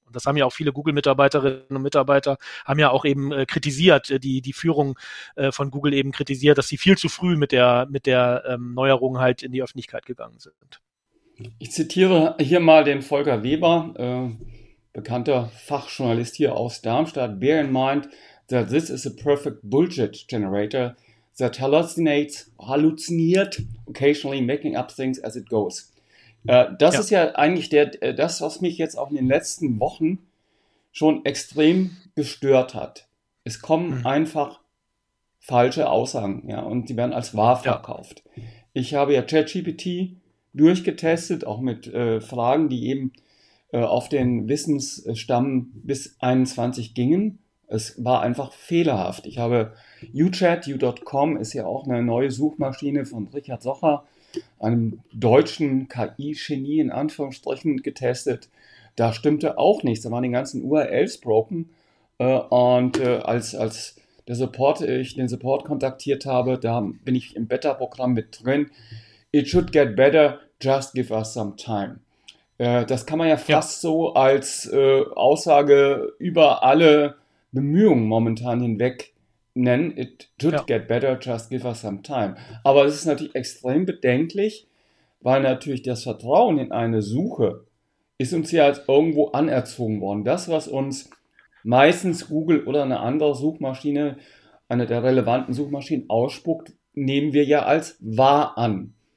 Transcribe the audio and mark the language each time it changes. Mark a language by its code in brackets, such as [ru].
[de] Und das haben ja auch viele Google-Mitarbeiterinnen und Mitarbeiter haben ja auch eben kritisiert, die Führung von Google eben kritisiert, dass sie viel zu früh mit der Neuerung halt in die Öffentlichkeit gegangen sind. Ich zitiere hier mal den Volker Weber, bekannter Fachjournalist hier aus Darmstadt. [en] Bear in mind that this is a perfect bullshit generator that [de] halluziniert, [en] occasionally making up things as it goes. [de] Das ist ja eigentlich das, was mich jetzt auch in den letzten Wochen schon extrem gestört hat. Es kommen einfach falsche Aussagen, ja, und die werden als wahr verkauft. Ja. Ich habe ja ChatGPT durchgetestet, auch mit Fragen, die eben auf den Wissensstamm bis 21 gingen. Es war einfach fehlerhaft. Ich habe YouChat, you.com ist ja auch eine neue Suchmaschine von Richard Socher, einem deutschen KI-Genie in Anführungsstrichen, getestet. Da stimmte auch nichts. Da waren die ganzen URLs broken. Und als der Support, ich den Support kontaktiert habe, da bin ich im Beta-Programm mit drin. [en] It should get better, just give us some time. [de] Das kann man ja fast so als Aussage über alle Bemühungen momentan hinweg nennen. [en] It should get better, just give us some time. [de] Aber es ist natürlich extrem bedenklich, weil natürlich das Vertrauen in eine Suche ist uns ja als irgendwo anerzogen worden. Das, was uns meistens Google oder eine andere Suchmaschine, eine der relevanten Suchmaschinen ausspuckt, nehmen wir ja als wahr an.